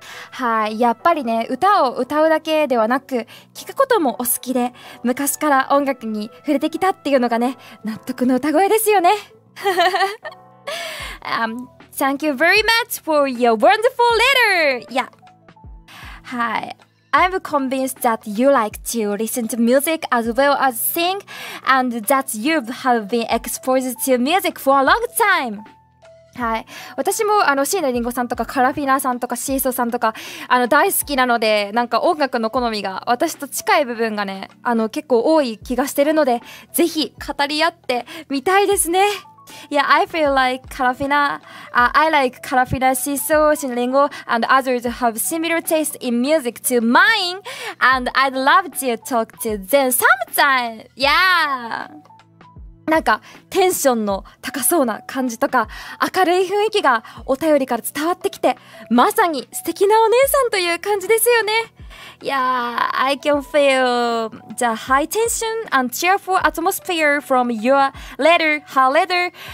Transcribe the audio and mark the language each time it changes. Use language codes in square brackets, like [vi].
[ja] はい、やっぱりね、歌を歌うだけではなく聴くこともお好きで、昔から音楽に触れてきたっていうのがね、納得の歌声ですよね。 [en] Thank you very much for your wonderful letter. Yeah. Hi. I'm convinced that you like to listen to music as well as sing, and that you have been exposed to music for a long time. [ja] はい、私もあの椎名林檎さんとかカラフィナさんとかシーソーさんとかあの大好きなので、なんか音楽の好みが私と近い部分がね、あの結構多い気がしてるので、ぜひ語り合ってみたいですね。 [en] Yeah, I feel like Carafina. I like Carafina, Shiso, Shinlingo, and others have similar taste in music to mine, and I'd love to talk to them sometime. Yeah. [ja] なんかテンションの高そうな感じとか明るい雰囲気がお便りから伝わってきて、まさに素敵なお姉さんという感じですよね。 [en] いやー、 I can feel the high tension and cheerful atmosphere from your letter, her letter.